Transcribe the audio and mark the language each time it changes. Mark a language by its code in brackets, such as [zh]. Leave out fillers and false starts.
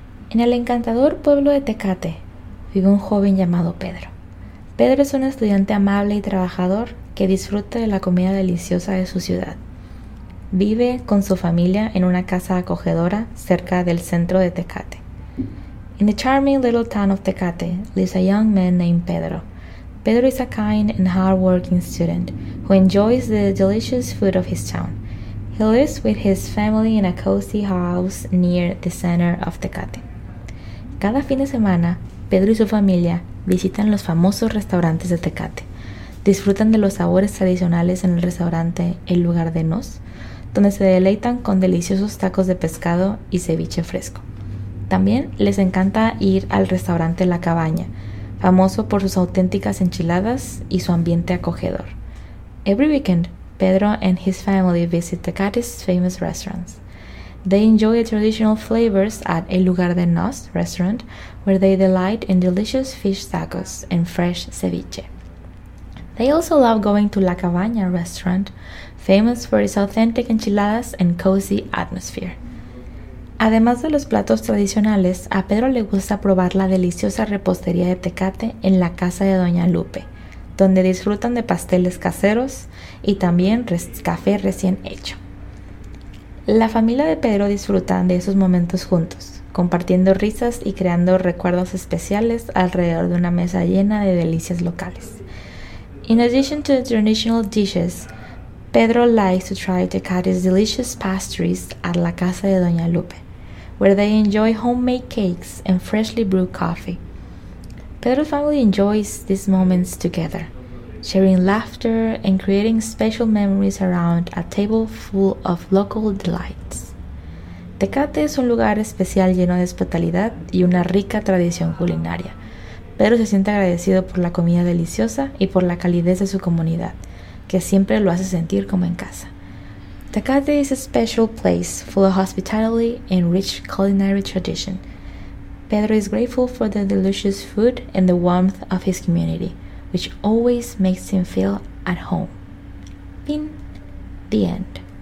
[es] En el encantador pueblo de Tecate vive un joven llamado Pedro. Pedro es un estudiante amable y trabajador que disfruta de la comida deliciosa de su ciudad. Vive con su familia en una casa acogedora cerca del centro de Tecate. [en] In the charming little town of Tecate lives a young man named Pedro. Pedro is a kind and hard-working student who enjoys the delicious food of his town. He lives with his family in a cozy house near the center of Tecate. [es] Cada fin de semana, Pedro y su familia visitan los famosos restaurantes de Tecate. Disfrutan de los sabores tradicionales en el restaurante El Lugar de Nos, donde se deleitan con deliciosos tacos de pescado y ceviche fresco. También les encanta ir al restaurante La Cabaña, famoso por sus auténticas enchiladas y su ambiente acogedor. [en] Every weekend, Pedro and his family visit Tecate's famous restaurants. They enjoy the traditional flavors at El Lugar de Nos restaurant, where they delight in delicious fish tacos and fresh ceviche. They also love going to La Cabaña restaurant, famous for its authentic enchiladas and cozy atmosphere. [es] Además de los platos tradicionales, a Pedro le gusta probar la deliciosa repostería de Tecate en la casa de Doña Lupe, donde disfrutan de pasteles caseros y también café recién hecho. La familia de Pedro disfruta de esos momentos juntos, compartiendo risas y creando recuerdos especiales alrededor de una mesa llena de delicias locales. [en] In addition to the traditional dishes, Pedro likes to try Tecate's delicious pastries at La Casa de Doña Lupe, where they enjoy homemade cakes and freshly brewed coffee. Pedro's family enjoys these moments together, sharing laughter and creating special memories around a table full of local delights. [es] Tecate es un lugar especial lleno de hospitalidad y una rica tradición culinaria. Pedro se siente agradecido por la comida deliciosa y por la calidez de su comunidad, que siempre lo hace sentir como en casa. [en] Tecate is a special place full of hospitality and rich culinary tradition. Pedro is grateful for the delicious food and the warmth of his community, which always makes him feel at home. [es] Fin. [en] The end.